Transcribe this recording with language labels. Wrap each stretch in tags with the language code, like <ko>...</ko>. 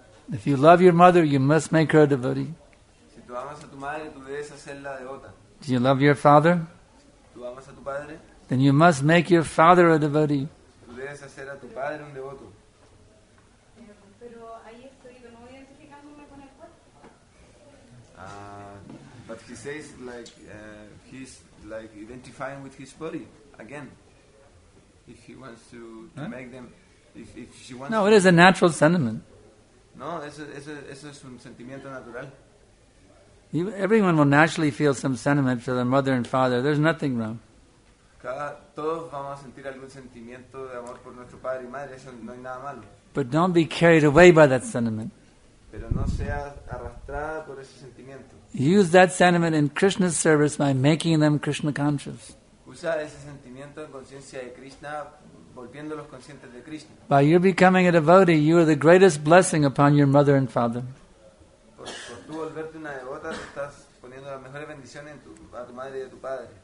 <en>If you love your mother, you must make her a devotee. Do you love your father? Then you must make your father a devotee.</en> <es>Tú debes hacer a tu padre un devoto. Pero ahí estoy, no voy identificándome con el cuerpo.</es> <en>But he says like he's like identifying with his body again. If he wants to make them, if she wants. No, it is a natural sentiment.</en> <es>No, eso es un sentimiento natural.</es> <en>Everyone will naturally feel some sentiment for their mother and father. There's nothing wrong.</en> <es>Todos vamos a sentir algún sentimiento de amor por nuestro padre y madre, eso no hay nada malo.</es> <en>But don't be carried away by that sentiment.</en> <es>Pero no seas arrastrada por ese sentimiento.</es> <en>Use that sentiment in Krishna's service by making them Krishna conscious.</en> <es>Usa ese sentimiento en conciencia de Krishna, volviéndolos conscientes de Krishna.</es> <en>By your becoming a devotee, you are the greatest blessing upon your mother and father.</en> <es>Por tú volverte una devota, te estás poniendo las mejores bendiciones a tu madre y a tu padre.</es>